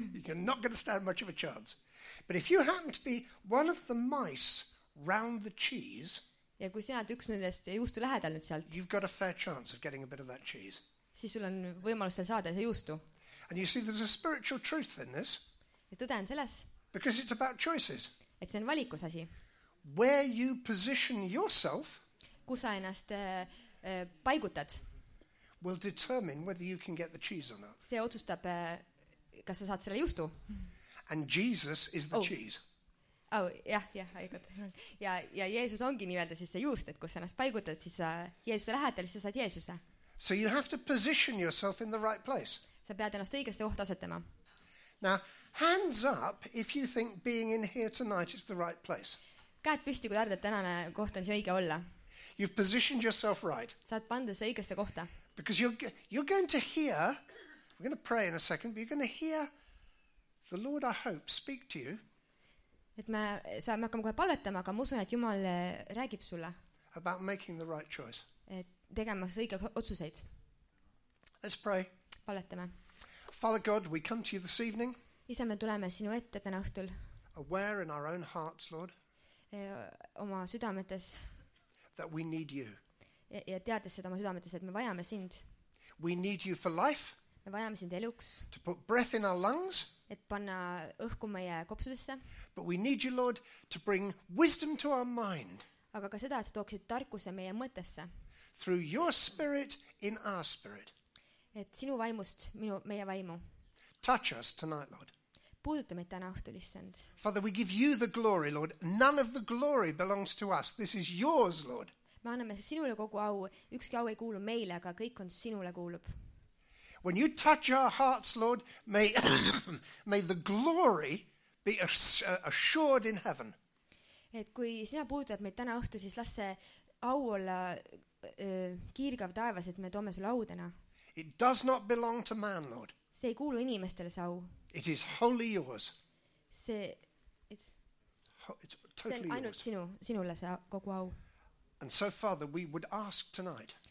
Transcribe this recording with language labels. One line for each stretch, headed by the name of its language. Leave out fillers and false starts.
English: You're not going to stand much of a chance. But if you happen to be one of the mice round the cheese,
Estonian: ja kui sina oled üks nendest juustu lähedal nüüd sealt,
English: you've got a fair chance of getting a bit of that cheese.
Estonian: Siis sul on võimalus saada see juustu.
English: And you see, there's a spiritual truth in this.
Estonian: Ja tõde on selles.
English: Because it's about choices.
Estonian: Et see on valikus asi.
English: Where you position yourself,
Estonian: kus sa ennast paigutad,
English: will determine whether you can get the cheese or not.
Estonian: See otsustab, kas sa saad selle juustu.
English: And Jesus is the cheese. Oh, yeah, yeah, I got.
Estonian: Ja Jeesus ongi nii-öelda siis see juust, et kus sa ennast paigutad, siis sa Jeesuse lähedal, siis sa saad Jeesuse.
English: So you have to position yourself in the right place.
Estonian: Sa pead ennast õigesti oht asetama.
English: Now, hands up if you think being in here tonight is the right place.
Estonian: Käed püsti, kui arvad, et tänane koht on see õige olla.
English: You've positioned yourself right.
Estonian: Saad panda see õigesse kohta.
English: Because you're going to hear, we're going to pray in a second, but you're going to hear the Lord, I hope, speak to you.
Estonian: Et me saame hakkama kohe palvetama, aga ma usun, et Jumal räägib sulle.
English: About making the right choice.
Estonian: Et tegemas õige otsuseid.
English: Let's pray.
Estonian: Palvetame.
English: Father God, we come to you this evening.
Estonian: Isa, me tuleme sinu ette täna õhtul.
English: Aware in our own hearts, Lord.
Estonian: Oma südametes.
English: That we need you.
Estonian: Ja teades seda oma südametes, et me vajame sind.
English: We need you for life.
Estonian: Me vajame sind eluks.
English: To put breath in our lungs.
Estonian: Et panna õhku meie kopsudesse.
English: But we need you, Lord, to bring wisdom to our mind.
Estonian: Aga ka seda, et tooksid tarkuse meie mõttesse.
English: Through your spirit in our spirit.
Estonian: Et sinu vaimust meie vaimu.
English: Touch us tonight, Lord.
Estonian: Puuduta meid täna õhtulissand.
English: Father, we give you the glory, Lord. None of the glory belongs to us. This is yours, Lord.
Estonian: Me anname sinule kogu au. Ükski au ei kuulu meile, aga kõik on sinule kuulub.
English: When you touch our hearts, Lord, may may the glory be assured in heaven.
Estonian: Et kui sina puudutab meid täna õhtu, siis lasse au olla kiirgav taevas, et me toome sulle au täna.
English: It does not belong to man, Lord.
Estonian: See ei kuulu inimestele see au.
English: It is wholly yours.
Estonian: See,
English: it's totally yours.
Estonian: See ainult sinule see kogu au.
English: And so, Father, we would ask tonight.